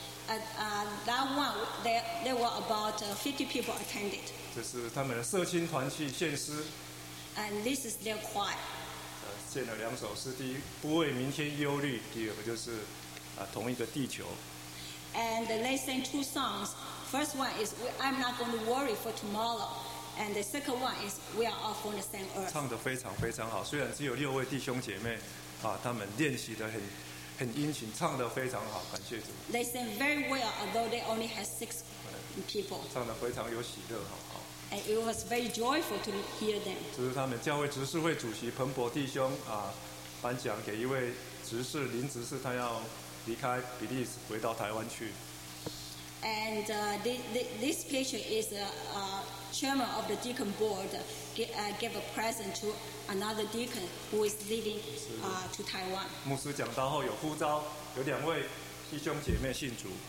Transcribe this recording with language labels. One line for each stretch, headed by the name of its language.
English: That one, there were about 50 people attended.
Chinese: 这是他们的社青团去献诗。
English: And this is their choir.
Chinese: 献了两首诗，第一不为明天忧虑，第二个就是同一个地球。
English: And they sang two songs. First one is I'm not going to worry for tomorrow. And the second one is we are all from the same earth.
Chinese: 唱得非常非常好，虽然只有六位弟兄姐妹，他们练习得很殷勤，唱得非常好，感谢主。
English: They sing very well, although they only had 6 people.
Chinese: 唱得非常有喜乐，好。
English: And it was very joyful to hear them.
Chinese: 这是他们教会执事会主席彭博弟兄颁奖给一位执事林执事，他要离开比利时回到台湾去。
English: And this picture is a chairman of the deacon board gave a present to another deacon who is leaving to Taiwan.
Chinese: 牧师讲道后有呼召，有两位弟兄姐妹信主。